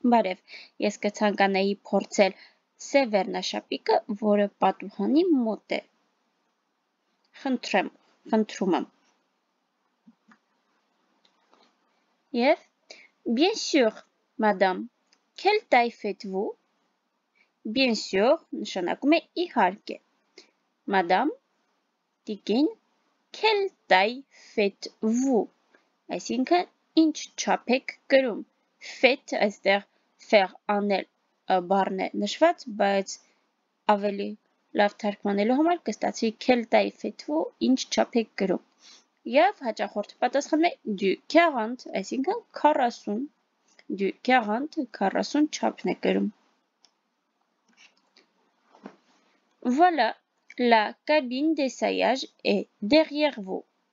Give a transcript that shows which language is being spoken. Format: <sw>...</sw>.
<hy>Բարև, ես կցանկանայի փորձել սև վերնաշապիկը, որը պատուհանի մոտ է։ Խնդրում եմ։</hy> <fr>Yes, bien sûr, madame. Quel taille faites-vous? Bien sûr,</fr> <hy>նշանակում է իհարկե։</hy> <fr>Madame, տիկին, quel taille faites-vous?</fr> <hy>Այսինքն, ինչ չափ եք գրում։ Fit այստեղ fer անել բառն է նշված, բայց ավելի լավ թարգմանելու համար կստացվի քելտայի fit-ը ինչ չափ եք գրում։ Եվ հաճախորդը պատասխանում է du 40, այսինքն 40 du 40 40 չափն է գրում։</hy> <fr>Voilà, la cabine d'essayage est derrière vous.</fr>